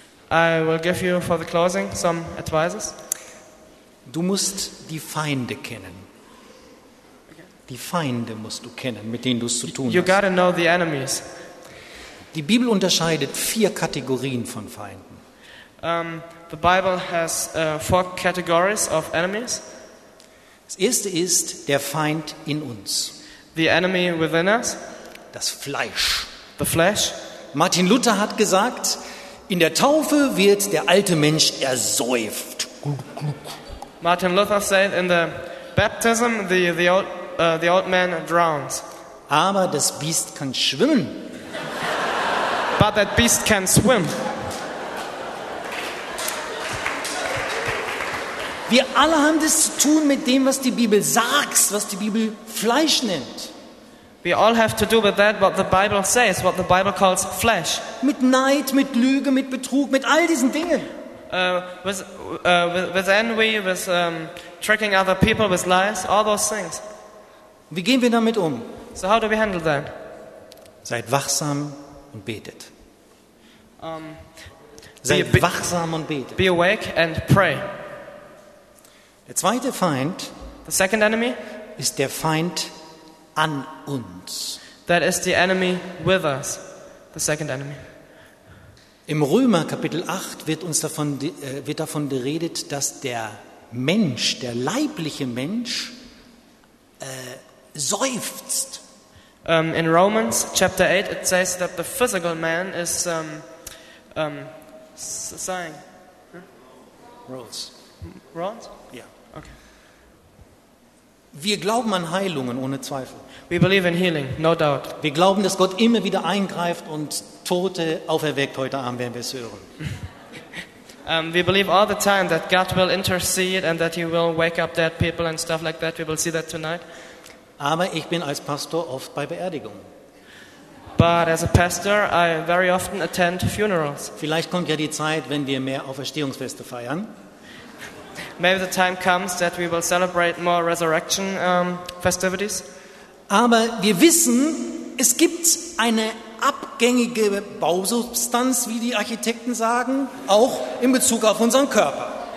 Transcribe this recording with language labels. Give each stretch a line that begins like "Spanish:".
English: I will give you for the closing some advices.
German: Du musst die Feinde kennen. Die Feinde musst du kennen, mit denen du es zu tun
English: you
German: hast.
English: You gotta know the enemies.
German: Die Bibel unterscheidet vier Kategorien von Feinden.
English: The Bible has four categories of enemies.
German: Das erste ist der Feind in uns.
English: The enemy within us.
German: Das Fleisch.
English: The flesh.
German: Martin Luther hat gesagt, in der Taufe wird der alte Mensch ersäuft.
English: Martin Luther said, in the baptism the old man drowns.
German: Aber das Biest kann schwimmen.
English: But that beast can swim.
German: Wir alle haben das zu tun mit dem, was die Bibel sagt, was die Bibel Fleisch nennt.
English: We all have to do with that, what the Bible says, what the Bible calls flesh.
German: Mit Neid, mit Lüge, mit Betrug, mit all diesen Dingen.
English: With envy, with tricking other people, with lies, all those things.
German: Wie gehen wir damit um?
English: So how do we handle that?
German: Seid wachsam und betet. Seid wachsam und betet.
English: Be awake and pray.
German: Der zweite Feind,
English: the second enemy,
German: ist der Feind an uns.
English: That is the enemy with us, the second enemy.
German: Im Römer Kapitel 8 wird davon geredet, dass der Mensch, der leibliche Mensch, seufzt.
English: In Romans Chapter 8 it says that the physical man is sighing. Groans? Yeah.
German: Wir glauben an Heilungen ohne Zweifel.
English: We believe in healing, no doubt.
German: Wir glauben, dass Gott immer wieder eingreift und Tote auferweckt. Heute Abend werden wir es hören.
English: We believe all the time that God will intercede and that he will wake up dead people and stuff like that. We will see that tonight.
German: Aber ich bin als Pastor oft bei Beerdigungen.
English: But as a pastor, I very often attend funerals.
German: Vielleicht kommt ja die Zeit, wenn wir mehr Auferstehungsfeste feiern.
English: Maybe the time comes that we will celebrate more resurrection festivities.
German: Aber wir wissen, es gibt eine abgängige Bausubstanz, wie die Architekten sagen, auch in Bezug auf unseren Körper.